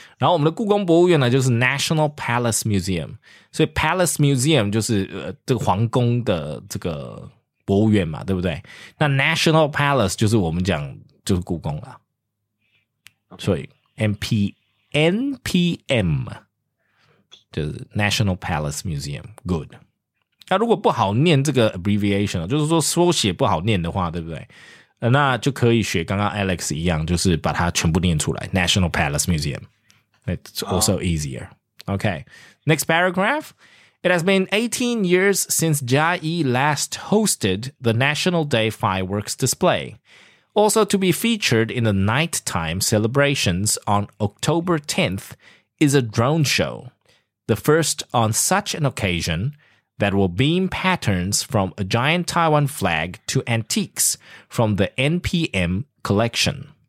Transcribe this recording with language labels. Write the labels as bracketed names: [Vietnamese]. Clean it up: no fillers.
[Chinese] 然后我们的故宫博物院呢，就是 National Palace Museum. 所以 Palace Museum 就是这个皇宫的这个。博物院嘛，对不对？那 National Palace 就是我们讲就是故宫啦。 [English] Okay. [Chinese] 所以 NPM 就是 National Palace Museum, good. 那如果不好念这个 abbreviation, 就是说缩写不好念的话，对不对？那就可以学刚刚 Alex 一样，就是把它全部念出来 National Palace Museum. [English] It's also easier. Okay, next paragraph. It has been 18 years since Jai last hosted the National Day fireworks display, also to be featured in the nighttime celebrations on October 10th is a drone show, the first on such an occasion that will beam patterns from a giant Taiwan flag to antiques from the NPM collection.